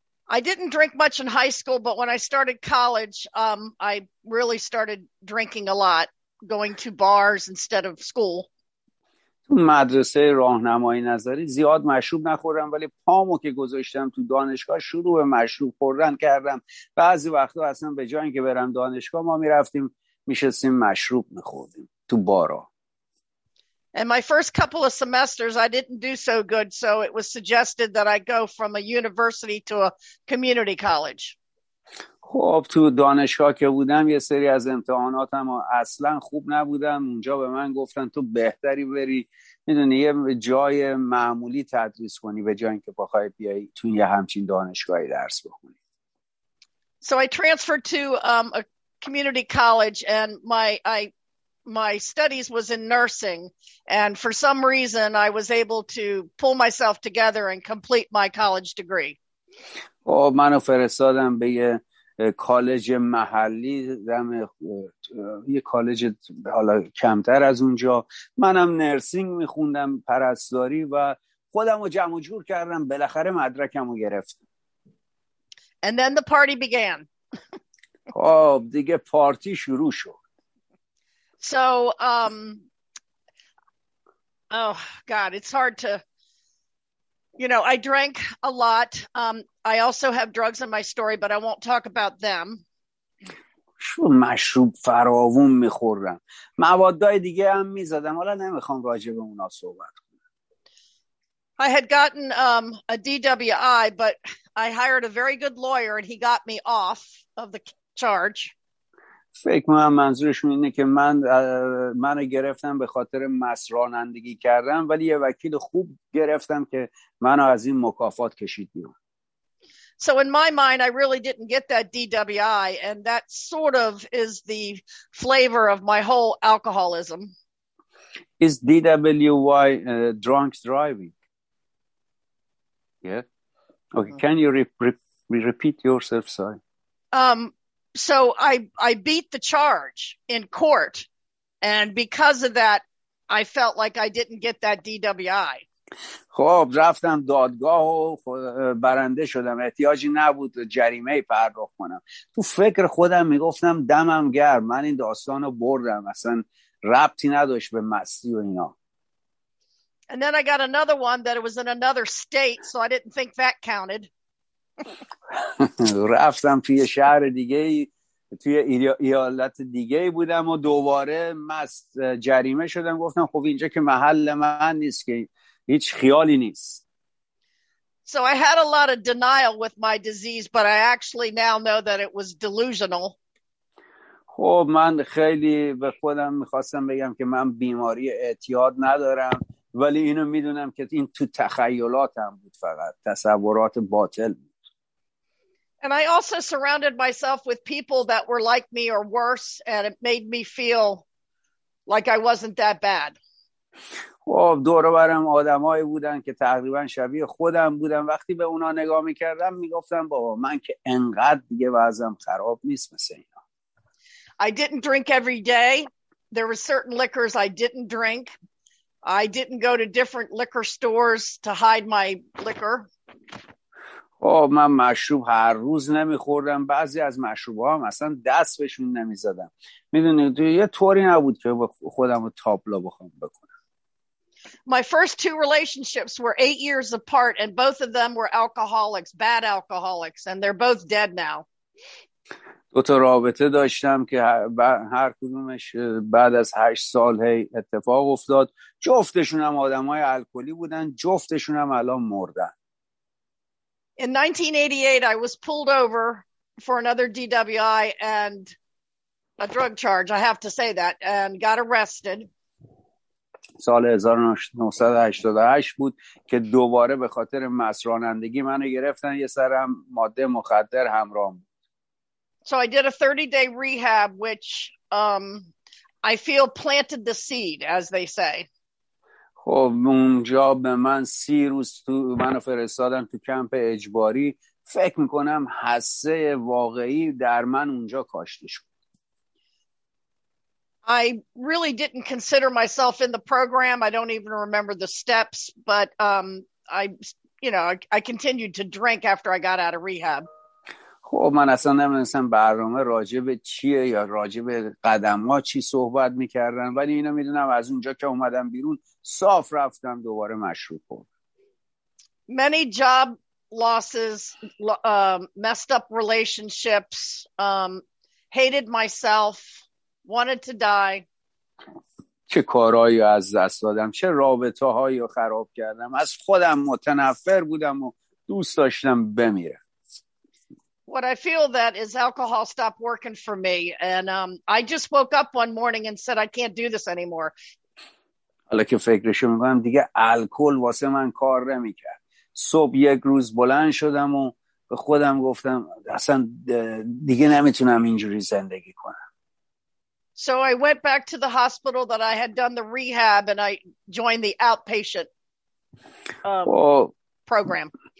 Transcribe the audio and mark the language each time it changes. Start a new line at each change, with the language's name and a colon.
English: I didn't drink much in high school, but when I started college, I really started drinking a lot, going to bars instead of school.
Persian: تو مدرسه راهنمایی نظری زیاد مشروب نخوردم، ولی پامو که گذاشتم تو دانشگاه شروع به مشروب خوردن کردم. بعضی وقتا اصلا به جای اینکه برم دانشگاه ما میرفتیم میشستیم مشروب میخوردیم تو بارا.
English: And my first couple of semesters, I didn't do so good, so it was suggested that I go from a university to a community college.
Persian: خب تو دانشگاه که بودم یه سری از امتحاناتم اصلا خوب نبودم. اونجا به من گفتن تو بهتری بری، میدونی، یه جای معمولی تدریس کنی به جای اینکه بخوای بیای تو یه همچین دانشگاهی درس بخونی.
English: So I transferred to a community college and I my studies was in nursing, and for some reason I was able to pull myself together and complete my college degree.
Persian: منو فرستادم به یه کالج محلی، دم یه کالج حالا کمتر از اونجا. منم نرسینگ میخوندم، پرستاری، و خودم رو جمع جور کردم، بالاخره مدرکم رو گرفتم.
English: And then the party began.
Persian: خب دیگه پارتی شروع شد.
English: So oh god, it's hard to, you know, I drank a lot. I also have drugs in my story, but I won't talk about them.
Persian: شو مشروب فراوون می‌خوردم. موادای دیگه هم می‌زدم. حالا نمی‌خوام راجع به اونا صحبت کنم.
English: I had gotten a DWI, but I hired a very good lawyer and he got me off of the charge.
Persian: فکر می‌کنم منظورشون اینه که منو گرفتم به خاطر مست رانندگی کردم، ولی یه وکیل خوب گرفتم که منو از این مکافات کشید بیرون.
English: So in my mind I really didn't get that DWI, and that sort of is the flavor of my whole alcoholism. Is DWI drunk driving? Yeah. Okay, mm-hmm. Can you repeat yourself, sorry? So I beat the charge in court, and because of that I felt like I didn't get that DWI.
Persian: خب رفتم دادگاه و برنده شدم، احتیاجی نبود جریمه پرداخت کنم. تو فکر خودم میگفتم دمم گرم، من این داستانو بردم، اصلا ربطی نداشت به مستی و اینا.
English: And then I got another one that it was in another state, so I didn't think that counted.
Persian: رفتم توی شهر دیگه، توی ایالت دیگه بودم و دوباره مست جریمه شدم. گفتم خب اینجا که محل من نیست، که هیچ خیالی نیست.
English: So I had a lot of denial with my disease, but I actually now know that it was delusional.
Persian: خب من خیلی به خودم میخواستم بگم که من بیماری اعتیاد ندارم، ولی اینو میدونم که این تو تخیلاتم بود، فقط تصورات باطل.
English: And I also surrounded myself with people that were like me or worse, and it made me feel like I wasn't that bad.
Persian: خب دور و برم آدمایی بودن که تقریبا شبیه خودم بودن. وقتی به اونا نگاه میکردم میگفتم بابا من که انقدر دیگه وضعم خراب نیست مثل اینا.
English: I didn't drink every day. There were certain liquors I didn't drink. I didn't go to different liquor stores to hide my liquor.
Persian: من مشروب هر روز نمیخوردم، بعضی از مشروبها هم اصلا دست بهشون نمیزدم. میدونید یه طوری نبود که خودم رو تابلو بخوام بکنم.
English: My first two relationships were 8 years apart and both of them were alcoholics, bad alcoholics, and they're both dead now.
Persian: دو تا رابطه داشتم که هر کدومش بعد از 8 سال اتفاق افتاد. جفتشون هم آدمای الکلی بودن، جفتشون هم الان مردن.
English: In 1988, I was pulled over for another DWI and a drug charge, I have to say that, and got arrested.
Persian: سال 1988 بود که دوباره به خاطر مست رانندگی منو گرفتن، یه سرم ماده مخدر همراهم بود.
English: So I did a 30-day rehab, which I feel planted the seed, as they say.
Persian: خب اونجا به من 30 روز تو منو فرستادن تو کمپ اجباری. فکر میکنم حسه واقعی در من اونجا کاشته شد.
English: I really didn't consider myself in the program. I don't even remember the steps, but I continued to drink after I got out of rehab.
Persian: خب من اصلا نمیدونستم برنامه راجع به چیه یا راجع به قدم‌ها چی صحبت میکردن، ولی اینو میدونم از اونجا که اومدم بیرون صاف رفتم، دوباره مشروب خوردم.
English: Many job losses, messed up relationships, hated myself, wanted to die.
Persian: چه کارهایی از دست دادم، چه رابطه هایی رو خراب کردم، از خودم متنفر بودم و دوست داشتم بمیرم.
English: What I feel that is alcohol stopped working for me, and I just woke up one morning and said, I can't do this anymore.
Persian: حالا که فکرشو میکنم دیگه الکل واسه من کار نمی کرد. صبح یک روز بلند شدم و به خودم گفتم اصلا دیگه نمیتونم اینجوری زندگی کنم.
English: So I went back to the hospital that I had done the rehab and I joined the outpatient program.